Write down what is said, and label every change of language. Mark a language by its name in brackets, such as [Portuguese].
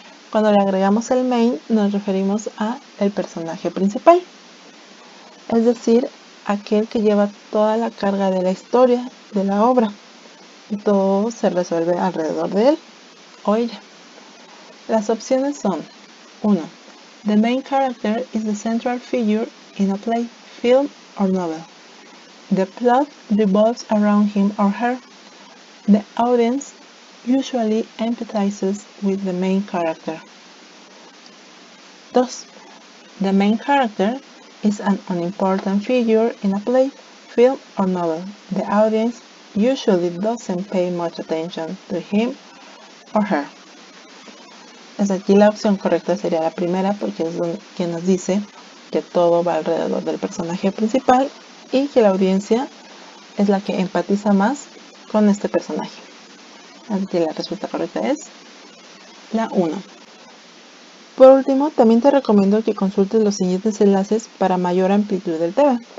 [Spanish] Cuando le agregamos el main, nos referimos a el personaje principal, es decir, aquel que lleva toda la carga de la historia, de la obra, y todo se resuelve alrededor de él o ella. Las opciones son: 1. [English] The main character is the central figure in a play, film or novel. The plot revolves around him or her. The audience usually empathizes with the main character. 2. The main character is an unimportant figure in a play, film or novel. The audience usually doesn't pay much attention to him or her. [Spanish] Es aquí la opción correcta sería la primera, porque es que nos dice que todo va alrededor del personaje principal y que la audiencia es la que empatiza más con este personaje. Así que la respuesta correcta es la 1. Por último, también te recomiendo que consultes los siguientes enlaces para mayor amplitud del tema.